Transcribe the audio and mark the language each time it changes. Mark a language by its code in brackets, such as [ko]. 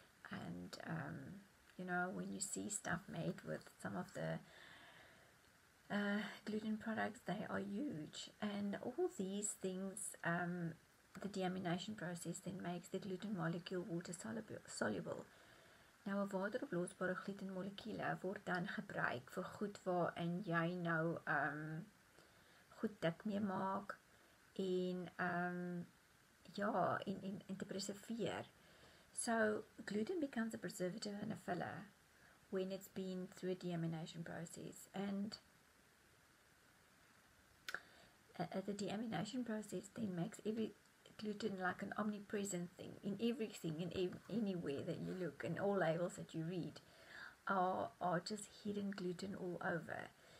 [en] And you know, when you see stuff made with some of the Gluten products, they are huge, and all these things, the deamination process then makes the gluten molecule water soluble. [af] Nou 'n wateroplosbare glutenmolekuule word dan gebruik vir goed waarin jy nou goed dik mee maak en en te preserveer. [en] So gluten becomes a preservative and a filler when it's been through a deamination process, and the deamination process then makes every gluten like an omnipresent thing in everything and anywhere that you look, and all labels that you read are just hidden gluten all over.